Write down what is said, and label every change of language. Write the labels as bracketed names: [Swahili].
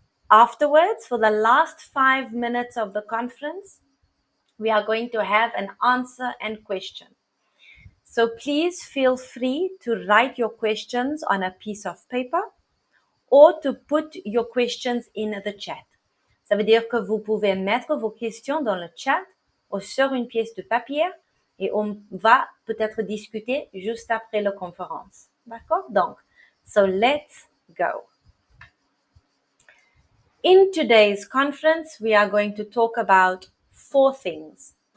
[English] Afterwards, for the last 5 minutes of the conference, we are going to have an answer and question. So please feel free to write your questions on a piece of paper or to put your questions in the chat. [French] Ça veut dire que vous pouvez mettre vos questions dans le chat ou sur une pièce de papier. Et on va peut-être discuter juste après la conférence. D'accord? Donc, [English] so let's go. In today's conference, we are going to talk about 4 things.